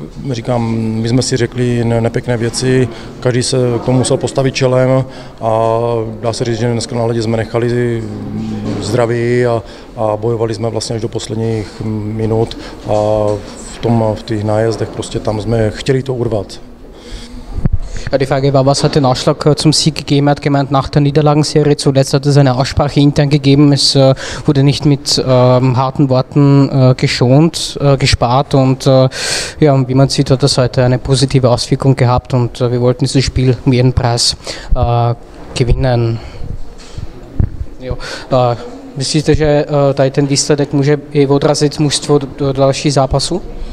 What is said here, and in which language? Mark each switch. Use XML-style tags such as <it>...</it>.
<cs>Říkám, my jsme si řekli nepěkné věci, každý se k tomu musel postavit čelem, a dá se říct, že dneska na ledě jsme nechali zdraví a bojovali jsme vlastně až do posledních minut, a v těch nájezdech prostě tam jsme chtěli to urvat.</cs> <de>Die Frage war, was hat den Ausschlag zum Sieg gegeben? Er hat gemeint, nach der Niederlagenserie zuletzt hat es eine Aussprache intern gegeben. Es wurde nicht mit harten Worten geschont, gespart. Und ja, wie man sieht, hat das heute eine positive Auswirkung gehabt. Und wir wollten dieses Spiel um jeden Preis gewinnen.</de> <cs>Jo. Myslíte, že tady ten výsledek může i odrazit mužstvo do dalšího zápasu?</cs>